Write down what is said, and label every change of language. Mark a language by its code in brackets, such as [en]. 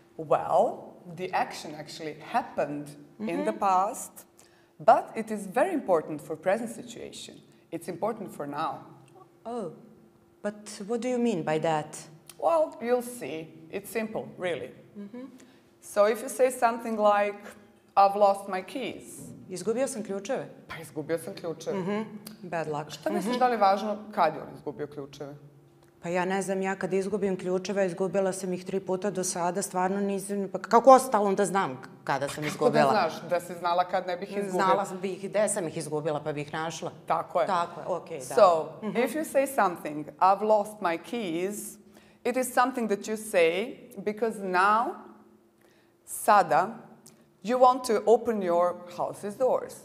[en] Well, the action actually happened in the past, but it is very important for present situation. It's important for now. Oh, but what do you mean by that? Well, you'll see. It's simple, really. Mm-hmm. So if you say something like, I've lost my keys. [sr] Izgubio sam ključeve. Pa izgubio sam ključeve. Mm-hmm. Bad luck. Šta misliš da li je važno kad je on izgubio ključeve? Pa ja ne znam, ja kad izgubim ključeve, izgubila sam ih 3 puta do sada, stvarno nisam, pa kako ostalom da znam kada sam izgubila? Kako da znaš, da si znala kad ne bih izgubila? Znala sam bih, gde sam ih izgubila, pa bih našla. Tako je. Tako je, okej, okay, da. [en] So, if you say something, I've lost my keys, it is something that you say, because now, [sr] sada, [en] you want to open your house's doors.